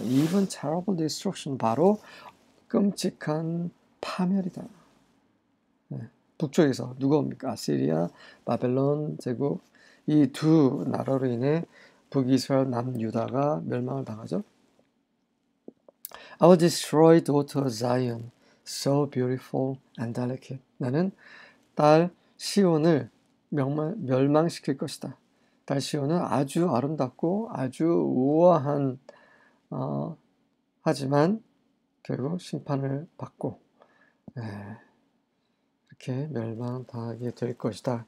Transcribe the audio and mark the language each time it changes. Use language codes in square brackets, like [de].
[en] Even terrible destruction [ko] 바로 끔찍한 파멸이다. 북쪽에서 누가 옵니까? 아시리아, 바벨론 제국 이두 나라로 인해 북이스라엘 남유다가 멸망을 당하죠. [en] I will destroy daughter Zion, so beautiful and delicate. [ko] 나는 딸 시온을 멸망시킬 것이다. 딸 시온은 아주 아름답고 아주 우아한 하지만 결국 심판을 받고 이렇게 멸망당하게 될 것이다.